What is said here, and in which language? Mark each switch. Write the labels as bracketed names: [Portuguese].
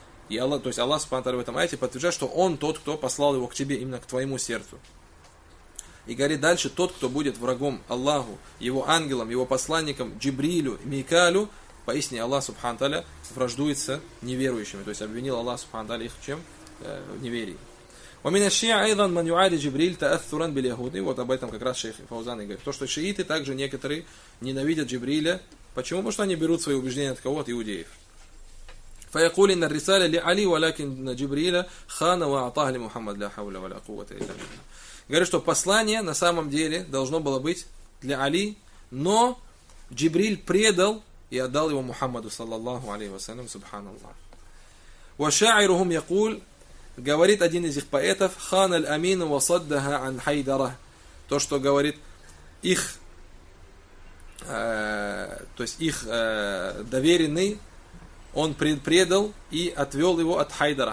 [Russian] И Аллах, то есть Аллах Субхану Тааля в этом аяте подтверждает, что он тот, кто послал его к тебе, именно к твоему сердцу. И говорит дальше, тот, кто будет врагом Аллаху, его ангелам, его посланникам, Джибрилю, Микаэлю, поистине Аллах Субхану Тааля враждуется неверующими. То есть обвинил Аллах Субхану Тааля их в чем? В неверии. [Arabic] ومن الشيعة أيضا من يعادي جبريل تأثرا باليهود. [Russian] И вот об этом как раз шейх Фаузан говорит. То, что шииты также некоторые ненавидят Джибриля. Почему? Потому что они берут свои убеждения от кого? От иудеев. [Arabic] فيقول إن الرسالة لعلي ولكن جبريل خان وأعطاه لمحمد لا حول ولا قوة إلا بالله. [Russian] Говорит, что послание на самом деле должно было быть для Али, но Джибриль предал и отдал его Мухаммаду саллаллаху алейхи ва саллям, субханаллах. [Arabic] وشاعرهم يقول, [Russian] говорит один из их поэтов, [Arabic] хан аль-амин васаддаха ан хайдара, [Russian] то, что говорит их, то есть их доверенный, он предал и отвел его от хайдара.